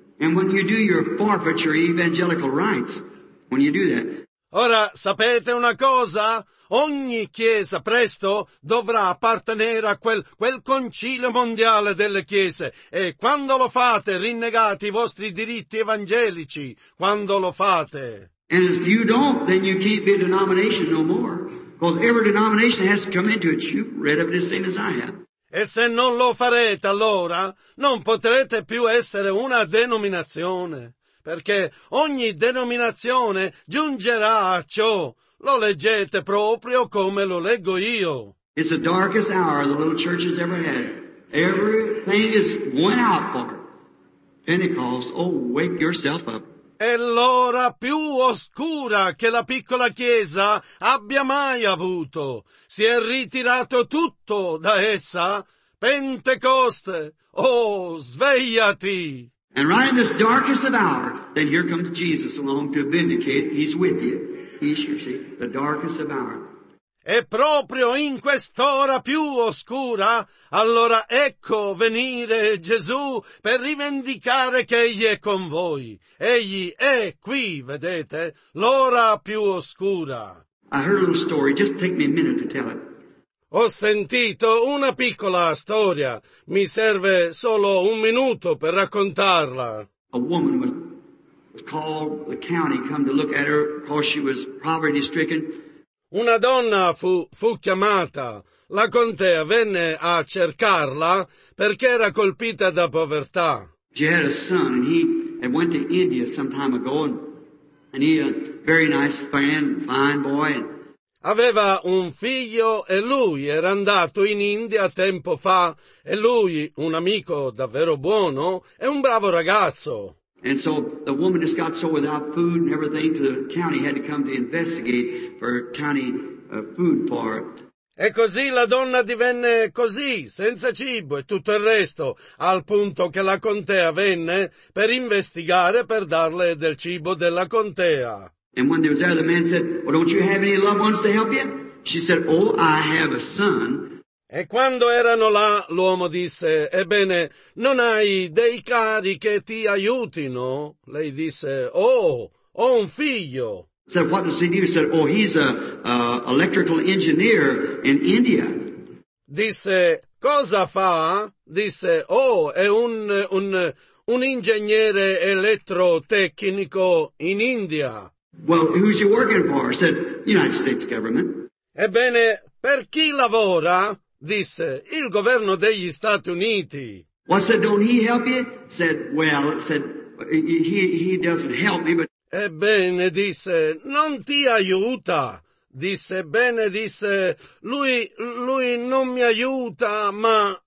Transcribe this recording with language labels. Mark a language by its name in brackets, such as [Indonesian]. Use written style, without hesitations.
[English] And when you do your forfeiture evangelical rights, when you do that. [Italian] Ora, sapete una cosa? Ogni chiesa presto dovrà appartenere a quel concilio mondiale delle chiese. E quando lo fate, rinnegate i vostri diritti evangelici. Quando lo fate. [English] And if you don't, then you can't be a denomination no more. Because every denomination has to come into it. You've read of it the same as I have. [Italian] E se non lo farete, allora, non potrete più essere una denominazione. Perché ogni denominazione giungerà a ciò. Lo leggete proprio come lo leggo io. [English] It's the darkest hour the little church has ever had. Everything is went out for it. Pentecost, oh, wake yourself up. [Italian] È l'ora più oscura che la piccola chiesa abbia mai avuto. Si è ritirato tutto da essa. Pentecoste, oh, svegliati! [English] And right in this darkest of hour, then here comes Jesus along to vindicate. He's with you. He's, you see, the darkest of hour. [Italian] E proprio in quest'ora più oscura, allora ecco venire Gesù per rivendicare che Egli è con voi. Egli è qui, vedete, l'ora più oscura. [English] I heard a little story. Just take me a minute to tell it. [Italian] Ho sentito una piccola storia. Mi serve solo un minuto per raccontarla. [English] A woman was called the county come to look at her because she was poverty stricken. [Italian] Una donna fu chiamata. La contea venne a cercarla perché era colpita da povertà. [English] She had a son and he had went to India some time ago and he a very nice man, fine boy. [Italian] Aveva un figlio e lui era andato in India tempo fa. E lui, un amico davvero buono, è un bravo ragazzo. [English] And so the woman just got so without food and everything to the county had to come to investigate for county food for it. [Italian] E così la donna divenne così, senza cibo e tutto il resto, al punto che la contea venne per investigare per darle del cibo della contea. [English] And when they was there, the man said, well, don't you have any loved ones to help you? She said, oh, I have a son. [Italian] E quando erano là, l'uomo disse, «Ebbene, non hai dei cari che ti aiutino?» Lei disse, «Oh, ho un figlio!» [English] Said, what does he do? He said, oh, he's an electrical engineer in India. [Italian] Disse, cosa fa? Disse, oh, è un ingegnere elettrotecnico in India. [English] Well, who's he working for? Said, United States government. [Italian] Ebbene, per chi lavora? Disse, il governo degli Stati Uniti. [English] Well, said, don't he help you? Said, well, said, he doesn't help me, but... [Italian] Ebbene, disse, non ti aiuta. Disse, bene, disse, lui non mi aiuta, ma...